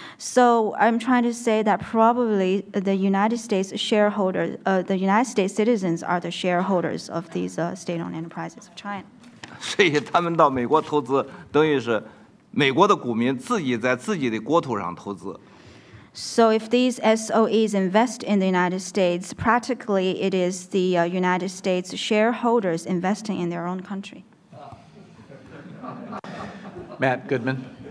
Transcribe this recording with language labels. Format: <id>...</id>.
<en>So I'm trying to say that probably the United States shareholders, the United States citizens are the shareholders of these state-owned enterprises of China.</en> <zh>所以他们到美国投资，等于是美国的股民自己在自己的国土上投资。</zh> <en>So if these SOEs invest in the United States, practically it is the United States shareholders investing in their own country. Matt Goodman.</en>